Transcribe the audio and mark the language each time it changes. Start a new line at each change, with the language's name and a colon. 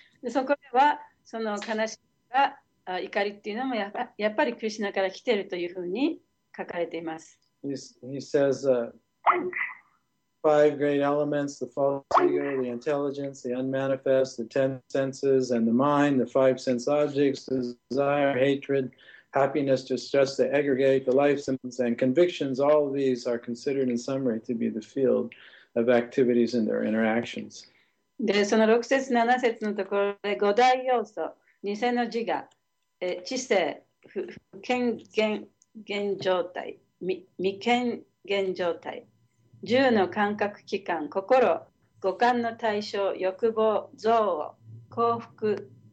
Japanese: そこではその悲しみが怒りっていうのもやっぱりクリシュナから来ているというふうに書かれています。
English: He says, five great elements, the false ego, the intelligence, the unmanifest, the ten senses, and the mind, the five sense objects, the desire, hatred, happiness, distress, the aggregate, the life sense, and convictions, all of these are considered in summary to be the field of activities and their interactions.
Japanese: で、その6節7節のところで五大要素、偽の自我、知性、不健現状態、未健現状態、10の感覚器官、心、五感の対象、欲望、憎悪、幸福、